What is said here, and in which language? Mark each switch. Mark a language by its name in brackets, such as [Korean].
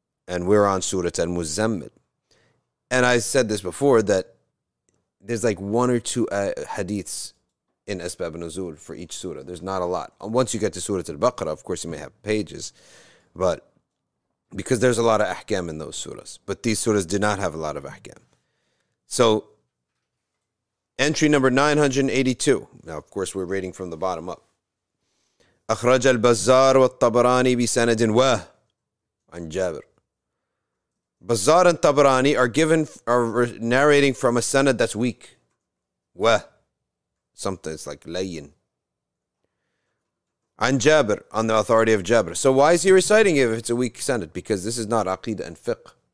[English] And we're on Surat al-Muzammil. And I said this before, that there's like one or two hadiths in Asbab al-Nuzul for each surah. There's not a lot. Once you get to Surat al-Baqarah, of course you may have pages, but because there's a lot of ahkam in those surahs. But these surahs do not have a lot of ahkam. So, entry number 982. Now, of course, we're reading from the bottom up. [Arabic] أخرج البزار والطبراني بسند واه عن جابر. [English] Bazar and Tabarani are narrating from a sanad that's weak. واه. Something, it's like layin. An Jabir, on the authority of Jabir. So why is he reciting it if it's a weak sanad? Because this is not aqidah and fiqh.